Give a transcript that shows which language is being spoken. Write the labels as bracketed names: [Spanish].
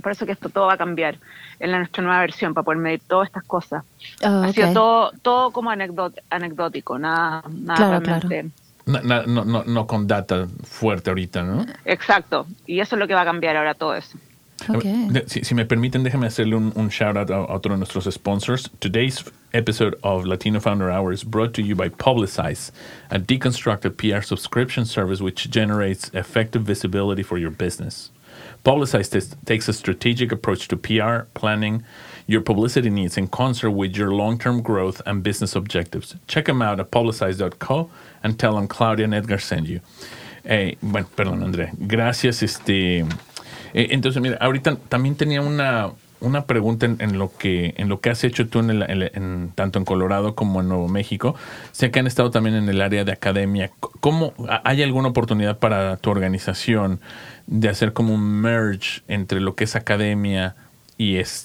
[Spanish] Por eso que esto todo va a cambiar en nuestra nueva versión para poder medir todas estas cosas. Oh, okay. Ha sido todo como anecdótico, nada claro, realmente... Claro. No con data fuerte ahorita, ¿no? Exacto. Y eso es lo que va a cambiar ahora todo eso. Okay. Si me permiten, déjame hacerle un shout-out a otro de nuestros sponsors. [English] Today's episode of Latino Founder Hour is brought to you by Publicize, a deconstructed PR subscription service which generates effective visibility for your business. Publicize takes a strategic approach to PR, planning your publicity needs in concert with your long-term growth and business objectives. Check them out at publicize.co and tell them Claudia and Edgar send you. [Spanish] Perdón, André. Gracias, entonces, mira, ahorita también tenía una pregunta en lo que has hecho tú en tanto en Colorado como en Nuevo México. Sé que han estado también en el área de academia. ¿Cómo hay alguna oportunidad para tu organización de hacer como un merge entre lo que es academia y